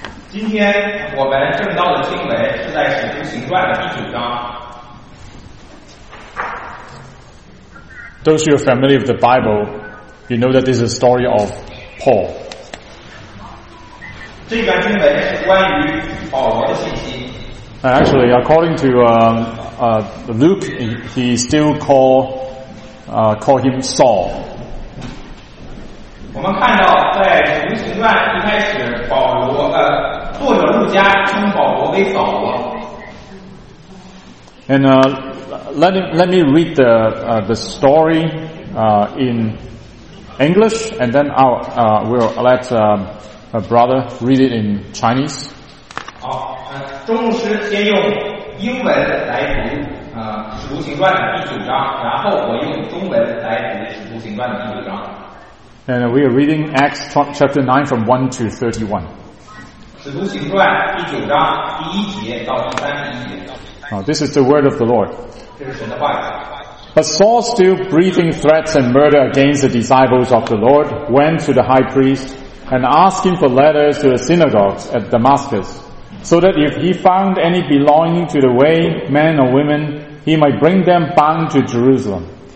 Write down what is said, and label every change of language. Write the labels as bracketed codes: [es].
[zh] 今天我们正道的经文是在《使徒行传》的第九章。 [en] Those who are familiar with the Bible, you know that this is a story of Paul. [zh] 这段经文是关于保罗的信息。 [en] And actually, according to Luke, he still call him Saul. [zh] 我们看到在《使徒行传》一开始，保罗作者路加称保罗为扫罗。 [en] And let me read the story in English, and then we'll let a brother read it in Chinese. [zh] 好。中牧师先用英文来读《使徒行传》的第九章，然后我用中文来读《使徒行传》的第九章。 [en] And we are reading Acts chapter 9 from 1 to 31. [zh] 使徒行传第九章第一节到第三十一节。 [en] This is the word of the Lord. [zh] 这是神的话语。 [en] But Saul, still breathing threats and murder against the disciples of the Lord, went to the high priest and asked him for letters to the synagogues at Damascus. So that if he found any belonging to the way, men or women, he might bring them bound to Jerusalem.